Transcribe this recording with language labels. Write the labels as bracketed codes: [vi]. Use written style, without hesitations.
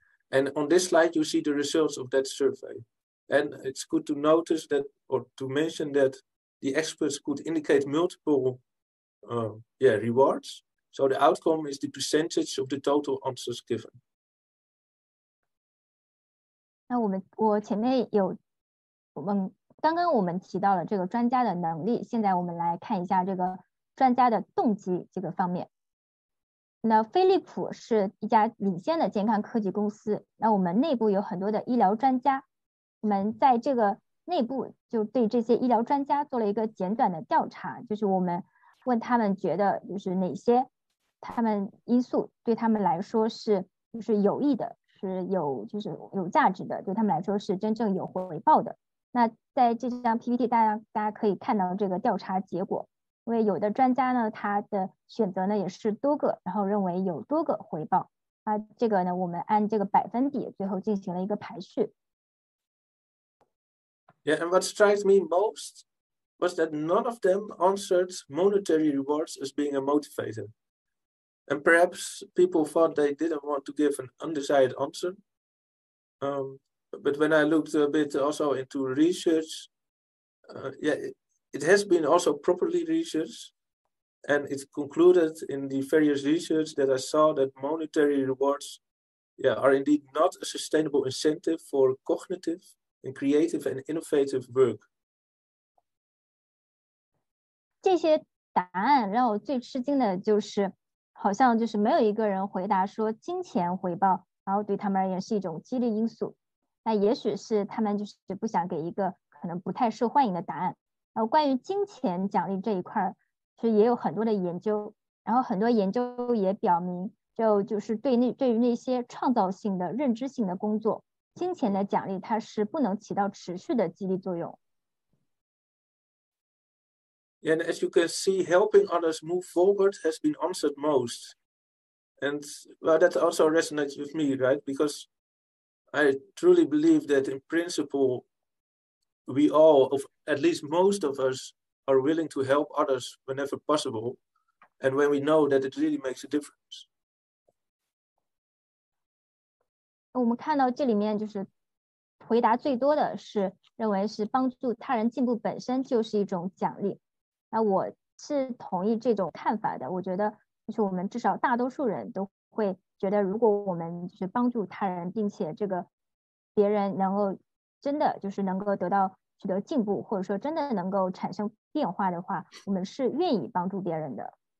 [en] And on this slide, you see the results of that survey. And it's good to notice that, or to mention that the experts could indicate multiple rewards. So the outcome is the percentage of the total answers given. [zh] 那我前面有刚刚我们提到了这个专家的能力，现在我们来看一下这个专家的动机这个方面。那飞利浦是一家领先的健康科技公司，那我们内部有很多的医疗专家，我们在这个内部就对这些医疗专家做了一个简短的调查，就是我们问他们觉得就是哪些他们因素对他们来说是就是有益的，是有就是有价值的，对他们来说是真正有回报的。那在这张 PPT 大家可以看到这个调查结果，因为有的专家呢他的选择呢也是多个，然后认为有多个回报。那这个呢我们按这个百分比最后进行了一个排序。 [en] Yeah, and what strikes me most was that none of them answered monetary rewards as being a motivator. And perhaps people thought they didn't want to give an undecided answer. But when I looked a bit also into research, it has been also properly researched. And it concluded in the various research that I saw that monetary rewards are indeed not a sustainable incentive for cognitive and creative and innovative work. [zh] 这些答案让我最吃惊的就是好像就是没有一个人回答说金钱回报然后对他们而言是一种激励因素，那也许是他们就是不想给一个可能不太受欢迎的答案。然后关于金钱奖励这一块，实也有很多的研究，然后很多研究也表明，就是对于那些创造性的认知性的工作，金钱的奖励它是不能起到持续的激励作用。 [en] And as you can see, helping others move forward has been answered most. And well, that also resonates with me, right? Because I truly believe that in principle, we all, of at least most of us, are willing to help others whenever possible, and when we know that it really makes a difference. [zh] 我们看到这里面就是回答最多的是认为是帮助他人进步本身就是一种奖励。那我是同意这种看法的，我觉得就是我们至少大多数人都会觉得，如果我们就是帮助他人，并且这个别人能够真的就是能够得到取得进步，或者说真的能够产生变化的话，我们是愿意帮助别人的。